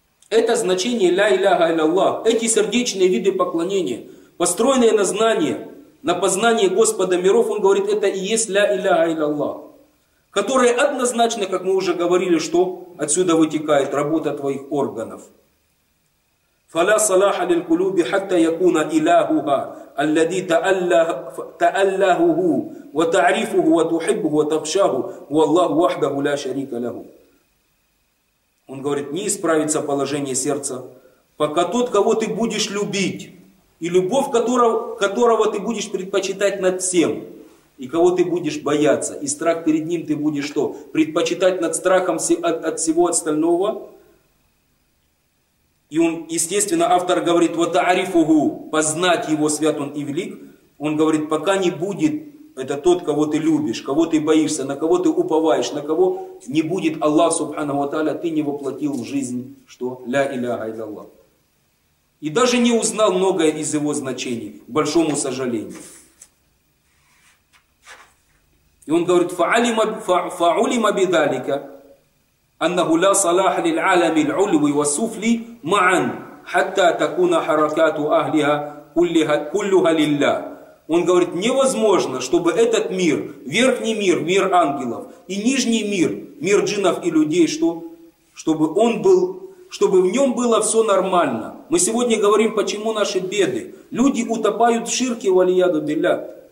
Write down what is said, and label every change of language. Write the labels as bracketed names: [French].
[Russian] Это значение «Ля иляха илляллах». Эти сердечные виды поклонения, построенные на знание, на познание Господа миров, он говорит, это и есть «Ля иляха илляллах». Которое однозначно, как мы уже говорили, что отсюда вытекает работа твоих органов. [Arabic] فلا صلاح للقلوب حتى يكون إلهها الذي تألهه وتعرفه وتحبه وتخشاه والله وحده لا شريك له. [Russian] Он говорит, не исправится положение сердца, пока тот, кого ты будешь любить, и любовь которого ты будешь предпочитать над всем, и кого ты будешь бояться, и страх перед ним ты будешь что? Предпочитать над страхом от всего остального. И он, естественно, автор говорит, вот арифугу, познать его свят он и велик. Он говорит, пока не будет, это тот, кого ты любишь, кого ты боишься, на кого ты уповаешь, на кого не будет Аллах, субхана ва тааля, ты не воплотил в жизнь, что ля иляха илляллах. И даже не узнал многое из его значений, к большому сожалению. И он говорит, [Arabic] фаулима бидалика. أنه لا صلاح للعالم العلوي والسفلي معا حتى تكون حركات أهلها كلها لله. [Russian] Он говорит, невозможно, чтобы этот мир, верхний мир, мир ангелов, и нижний мир, мир джиннов и людей, что, чтобы он был, чтобы в нем было все нормально. Мы сегодня говорим, почему наши беды. Люди утопают в ширке валияду биллях.